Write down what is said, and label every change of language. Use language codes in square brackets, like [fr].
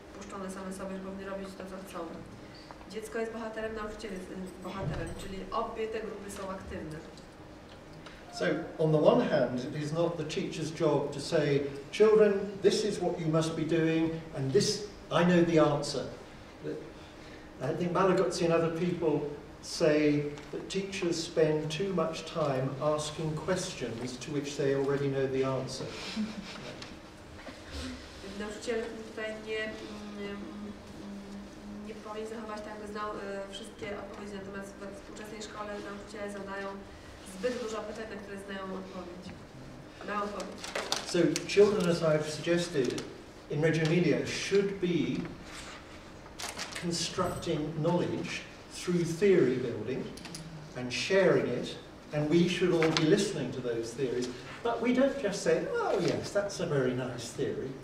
[pl] puszczone same sobie, że powinny robić to, co chcą. Dziecko jest bohaterem, nauczyciel jest bohaterem, czyli obie te grupy są aktywne. [en] So on the one hand, it is not the teacher's job to say, children, this is what you must be doing, and this, I know the answer. I think Malagutzi and other people say that teachers spend too much time asking questions to which they already know the answer. [pl] Nauczyciel tutaj nie powinien zachować tak, jakby znał wszystkie odpowiedzi, natomiast we współczesnej szkole nauczyciele zadają zbyt dużo pytań, na które znają odpowiedź. [en] So children, as I've suggested, in Reggio Emilia should be constructing knowledge through theory building and sharing it, and we should all be listening to those theories. But we don't just say, oh yes, that's a very nice theory.